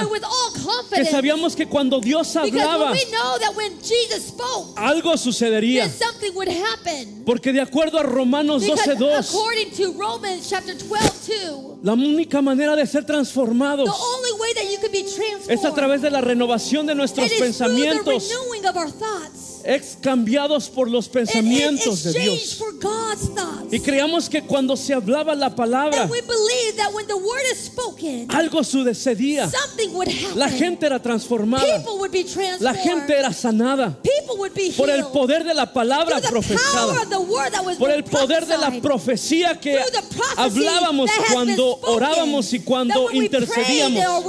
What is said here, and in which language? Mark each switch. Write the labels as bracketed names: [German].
[English] And with all confidence. [Spanish] Que sabíamos que cuando Dios hablaba, [English] because we know that when Jesus spoke, [Spanish] algo sucedería. [English] Then something would happen. [Spanish] Porque de acuerdo a Romanos 12:2, [English] according to Romans chapter 12, [Spanish] la única manera de ser transformados [English] the only way that you can be transformed [Spanish] es a través de la renovación de nuestros pensamientos. [English] Through the renewing of our thoughts. [Spanish] Ex cambiados por los pensamientos de Dios. [English] For God's thoughts. [Spanish] Y creíamos que cuando se hablaba la palabra, [English] and we believe that when the word is spoken, [Spanish] algo sucedía. [English] Something would happen. [Spanish] La gente era transformada. [English] People would be transformed. [Spanish] La gente era sanada. [English] People would be healed. [Spanish] Por el poder de la palabra profetizada. [English] Through the power of the word that was [Spanish] por el poder de la profecía que hablábamos cuando orábamos y cuando intercedíamos.